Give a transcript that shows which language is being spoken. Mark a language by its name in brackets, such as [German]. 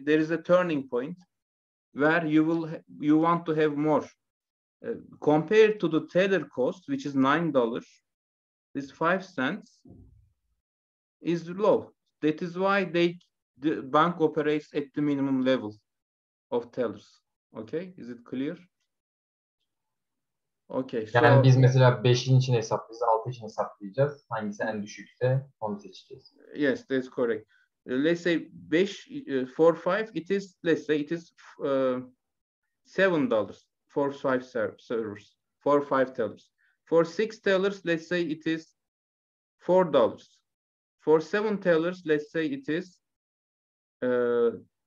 [English] There is a turning point where you want to have more. Compared to the teller cost, which is $9, this 5 cents is low. That is why the bank operates at the minimum level of tellers. Okay, is it clear? Okay. [Turkish] Yani so, biz mesela 5'in için hesaplayacağız, 6 için hesaplayacağız. Hangisi en düşükse onu seçeceğiz. [English] Yes, that's correct. Let's say 5, 4, 5, it is, let's say it is $7 for 5 servers, for 5 tellers. For 6 tellers, let's say it is $4. For seven tellers, let's say it is $5.